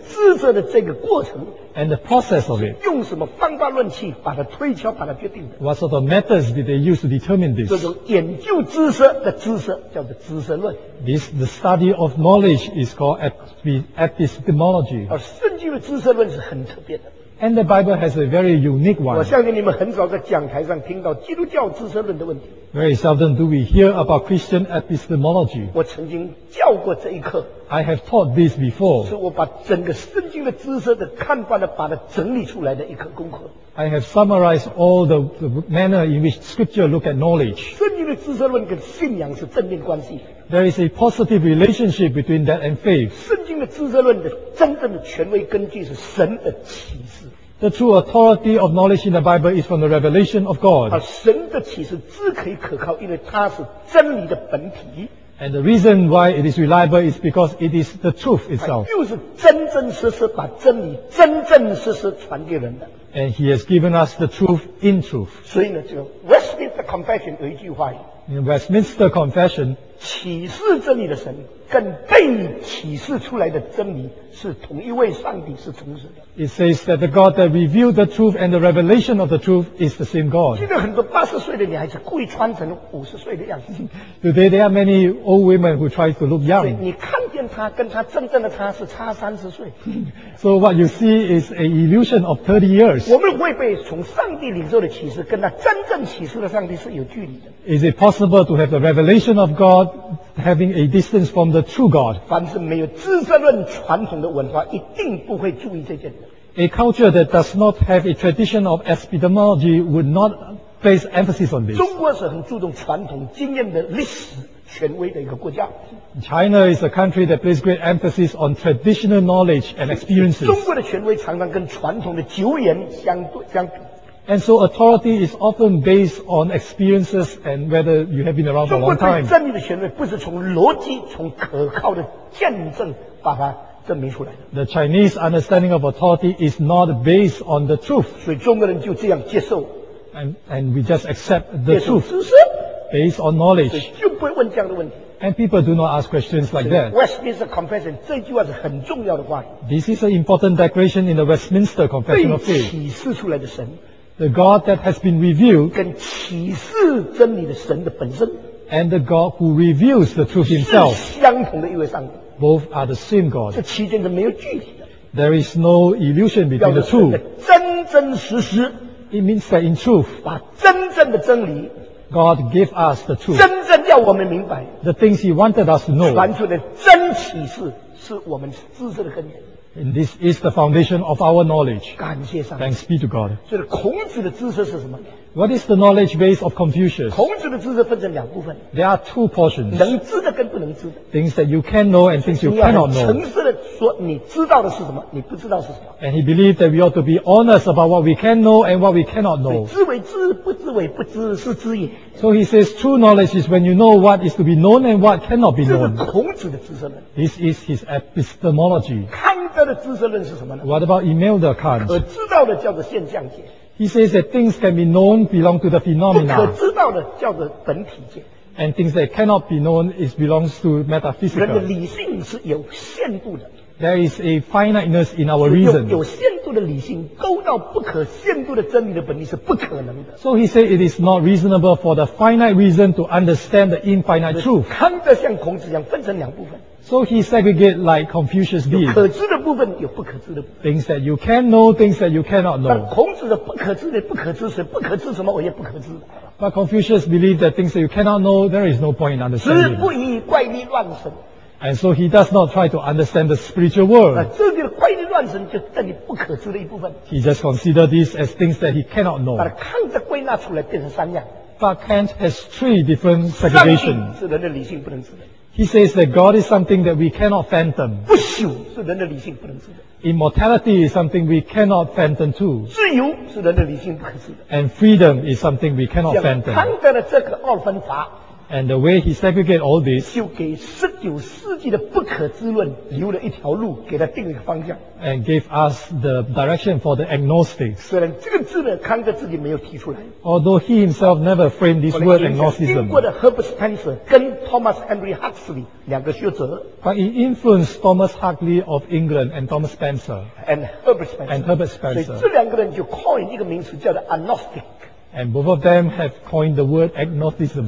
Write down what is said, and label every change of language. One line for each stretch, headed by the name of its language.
Chinese: 知识的这个过程。
English: And the process of it.
Chinese: 用什么方法论去把它推敲把它决定的。
English: What sort of methods did they use to determine this?
Chinese: 这种研究知识的知识叫做知识论。
English: This, the study of knowledge is called epistemology.
Chinese: 而圣经的知识论是很特别的。
English: And the Bible has a very unique one.
Chinese: 我相信你们很少在讲台上听到基督教知识论的问题。
English: Very seldom do we hear about Christian epistemology.
Chinese: 我曾经教过这一课。
English: I have taught this before.
Chinese: 是我把整个圣经的知识的看法的把它整理出来的一课功课。
English: I have summarized all the manner in which Scripture look at knowledge.
Chinese: 圣经的知识论跟信仰是正面关系。
English: There is a positive relationship between that and faith.
Chinese: 圣经的知识论的真正的权威根据是神的启示。
English: The true authority of knowledge in the Bible is from the revelation of God.
Chinese: 而神的启示只可以可靠，因为它是真理的本体。
English: And the reason why it is reliable is because it is the truth itself.
Chinese: 就是真真实实把真理真真实实传给人的。
English: And he has given us the truth in truth.
Chinese: 所以呢，这个 Westminster Confession 有一句话语。
English: In Westminster Confession,
Chinese: 启示真理的神跟被启示出来的真理是同一位上帝，是同时的。
English: It says that the God that revealed the truth and the revelation of the truth is the same God.
Chinese: 现在很多八十岁的女孩子故意穿成五十岁的样子。
English: Today there are many old women who try to look young.
Chinese: 你看见她跟她真正的她是差三十岁。
English: So what you see is an illusion of 30 years.
Chinese: 我们会被从上帝领受的启示跟那真正启示的上帝是有距离的。
English: Is it possible to have the revelation of God having a distance from the true God?
Chinese: 凡是没有知识论传统的文化，一定不会注意这件。
English: A culture that does not have a tradition of epistemology would not place emphasis on this.
Chinese: 中国是很注重传统经验的历史权威的一个国家。
English: China is a country that places great emphasis on traditional knowledge and experiences.
Chinese: 中国的权威常常跟传统的久远相比。
English: And so authority is often based on experiences and whether you have been around for a long time.
Chinese: 中国对真理的权威不是从逻辑、从可靠的见证把它证明出来的。
English: The Chinese understanding of authority is not based on the truth.
Chinese: 所以中国人就这样接受。
English: And we just accept the truth.
Chinese: 接受知识。
English: Based on knowledge.
Chinese: 所以就不会问这样的问题。
English: And people do not ask questions like that.
Chinese: Westminster Confession 这句话是很重要的话。
English: This is an important declaration in the Westminster Confession of Faith.
Chinese: 被启示出来的神。
English: The God that has been revealed
Chinese: 跟启示真理的神的本身
English: and the God who reveals the truth himself
Chinese: 是相同的一位上帝
English: both are the same God
Chinese: 这期间是没有距离的
English: there is no illusion between the two
Chinese: 真真实实
English: it means that in truth
Chinese: 把真正的真理
English: God gave us the truth
Chinese: 真正要我们明白
English: the things he wanted us to know
Chinese: 传出的真启示是我们知识的根源
English: And this is the foundation of our knowledge.
Chinese: 感谢上帝。
English: Thanks be to God.
Chinese: 所以孔子的知识是什么呢?
English: What is the knowledge base of Confucius?
Chinese: 孔子的知识分成两部分。
English: There are two portions.
Chinese: 能知的跟不能知的。
English: Things that you can know and things you cannot know.
Chinese: 诚实的说你知道的是什么,你不知道是什么。
English: And he believed that we ought to be honest about what we can know and what we cannot know.
Chinese: 知为知,不知为不知,是知也。
English: So he says true knowledge is when you know what is to be known and what cannot be known.
Chinese: 这是孔子的知识论。
English: This is his epistemology.
Chinese: 康德的知识论是什么呢?
English: What about Immanuel Kant?
Chinese: 可知道的叫做现象界。
English: He says that things can be known belong to the phenomena.
Chinese: 不可知道的叫做本体界。
English: And things that cannot be known is belongs to metaphysical.
Chinese: 人的理性是有限度的。
English: There is a finiteness in our reason.
Chinese: 有限度的理性勾到不可限度的真理的本体是不可能的。
English: So he said it is not reasonable for the finite reason to understand the infinite truth.
Chinese: 康德像孔子一样分成两部分。
English: So he segregated like Confucius did.
Chinese: 有可知的部分，有不可知的部分。
English: Things that you can know, things that you cannot know.
Chinese: 但孔子的不可知的不可知是不可知什么，我也不可知。
English: But Confucius believed that things that you cannot know, there is no point in understanding.
Chinese: 知不以怪力乱神。
English: And so he does not try to understand the spiritual world.
Chinese: 这里的怪力乱神就在你不可知的一部分。
English: He just considered these as things that he cannot know.
Chinese: 把康德归纳出来变成三样。
English: But Kant has three different segregations.
Chinese: 上帝是人的理性不能知的。
English: He says that God is something that we cannot fathom.
Chinese: 不朽是人的理性不能知的。
English: Immortality is something we cannot fathom too.
Chinese: 自由是人的理性不可知的。
English: And freedom is something we cannot fathom.
Chinese: 像康德的这个二分法。
English: And the way he segregated all this
Chinese: 就给十九世纪的不可知论留了一条路给他定了一个方向
English: and gave us the direction for the agnostics
Chinese: 虽然这个字呢康德自己没有提出来
English: although he himself never framed this word agnosticism
Chinese: 英国的 Herbert Spencer 跟 Thomas Henry Huxley 两个学者
English: but he influenced Thomas Huxley of England and Thomas Spencer and Herbert Spencer, and Herbert Spencer.
Chinese: 所以这两个人就 coined 一个名词叫做 agnostic
English: And both of them have coined the word agnosticism.